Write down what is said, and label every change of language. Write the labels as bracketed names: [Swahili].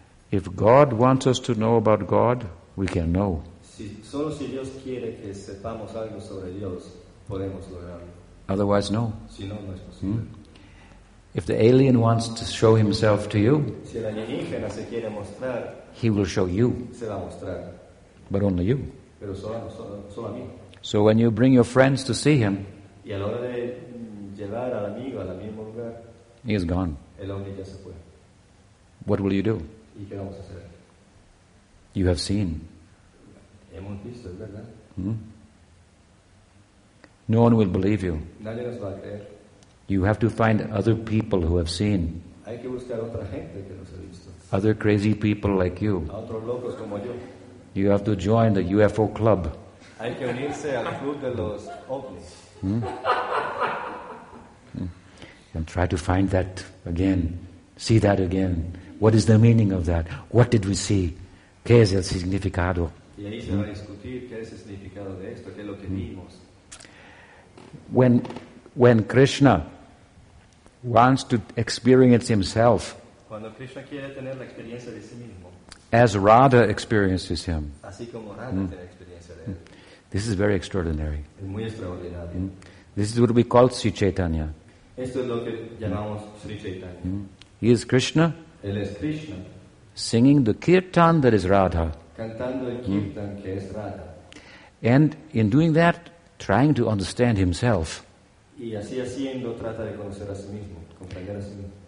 [English] If God wants us to know about God, we can know. [Spanish] Solo si Dios quiere que sepamos algo sobre Dios, podemos lograrlo. [English] Otherwise, no. [Spanish] Si no, no es posible. [English] If the alien wants to show himself to you, [Spanish] si el alienígena se quiere mostrar, [English] he will show you. [Spanish] Se va a mostrar. [English] But only you. [Spanish] Pero solo a mí. [English] So when you bring your friends to see him, [Spanish] y a la hora de llevar al amigo al mismo lugar, [English] he is gone. [Spanish] El hombre ya se fue. [English] What will you do? [Spanish] ¿Y qué vamos a hacer? [English] You have seen. [Spanish] Hemos visto, es verdad. [English] No one will believe you. [Spanish] Nadie nos va a creer. [English] You have to find other people who have seen. [Spanish] Hay que buscar otra gente que los ha visto. [English] Other crazy people like you. [Spanish] Otros locos como yo. [English] You have to join the UFO club. [Spanish] Hay que unirse al club de los ovnis. [English] And try to find that again. See that again. What is the meaning of that? What did we see? [Spanish] ¿Qué es el significado? Y ahí se va a discutir qué es el significado de esto, qué es lo que vimos. [English] When Krishna wants to experience himself, [Spanish] cuando Krishna quiere tener la experiencia de sí mismo, [English] as Radha experiences him, [Spanish] así como Radha tiene experiencia de él, [English] this is very extraordinary. [Spanish] Es muy extraordinario. [English] This is what we call Sri Chaitanya. [Spanish] Esto es lo que llamamos Sri Chaitanya. [English] He is Krishna, [Spanish] él es Krishna, [English] singing the kirtan that is Radha, [Spanish] cantando el kirtan que es Radha. [English] And in doing that, trying to understand himself. [Spanish] Y así haciendo trata de conocer a sí mismo, comprender a sí mismo.